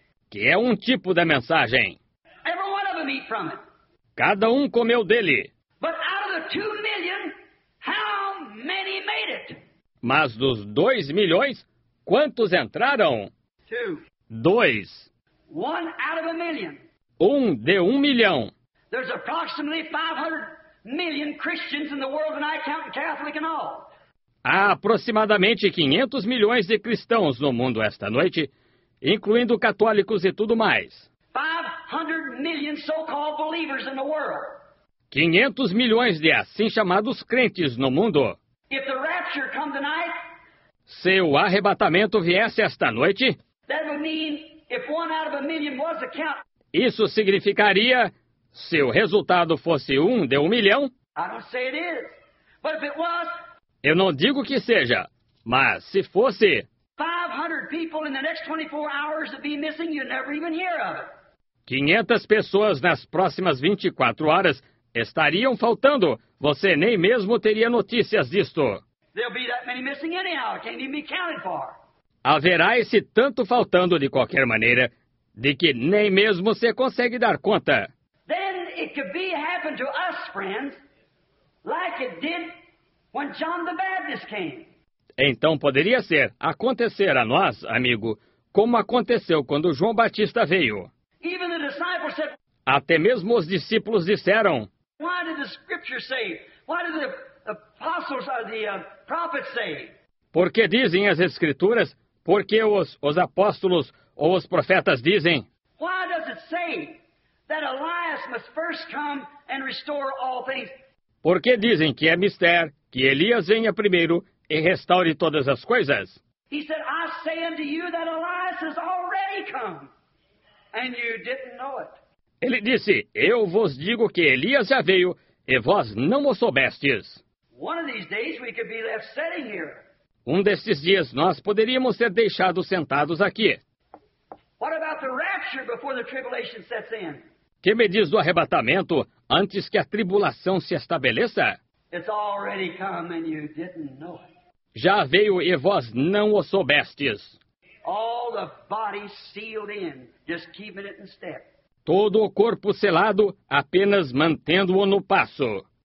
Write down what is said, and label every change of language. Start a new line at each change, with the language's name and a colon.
Portuguese: Que é um tipo da mensagem. Cada um comeu
English: from it.
Portuguese: Cada um comeu dele.
English: But out of the 2 million, how many made it?
Portuguese: Mas dos 2 milhões, quantos entraram?
English: Two.
Portuguese: Dois.
English: One out of a million.
Portuguese: Um de 1 milhão.
English: There's approximately 500 million Christians in the world, and I count Catholic and all.
Portuguese: Há aproximadamente 500 milhões de cristãos no mundo esta noite, incluindo católicos e tudo mais.
English: 500 million so-called believers in the world.
Portuguese: 500 milhões de assim chamados crentes no mundo.
English: If the rapture come tonight,
Portuguese: se o arrebatamento viesse esta noite,
English: that would mean if one out of a million was a count,
Portuguese: isso significaria, se o resultado fosse um de 1 milhão,
English: I don't say it is, but if it was,
Portuguese: eu não digo que seja, Mas se fosse
English: 500 people in the next 24 hours to be missing, you never even hear of it.
Portuguese: 500 pessoas nas próximas 24 horas estariam faltando. Você nem mesmo teria notícias disto.
English: There'll be that many missing anyhow. It can't even be counted for.
Portuguese: Haverá esse tanto faltando de qualquer maneira, de que nem mesmo você consegue dar conta.
English: Then it could be happened to us, friends, like it did when John the Baptist came.
Portuguese: Então poderia ser acontecer a nós, amigo, como aconteceu quando João Batista veio.
English: Even the disciples said,
Portuguese: até mesmo os discípulos disseram.
English: Why did the scripture say? Why did the apostles or the prophets say?
Portuguese: Porque dizem as escrituras? Porque os apóstolos ou os profetas dizem?
English: Why does it say that Elias must first come and restore all things?
Portuguese: Porque dizem que é mistério que Elias venha primeiro e restaure todas as coisas?
English: He said, I say unto you that Elias has already come, and you didn't know it.
Portuguese: Ele disse, eu vos digo que Elias já veio, e vós não o soubestes.
English: One of these days we could be left sitting here.
Portuguese: Um destes dias nós poderíamos ser deixados sentados aqui.
English: What about the rapture before the tribulation sets in?
Portuguese: Que me diz do arrebatamento antes que a tribulação se estabeleça?
English: It's already come and you didn't know it.
Portuguese: Já veio e vós não o soubestes.
English: All the body sealed in, just keeping it in step.
Portuguese: Todo o corpo selado, apenas mantendo-o no passo.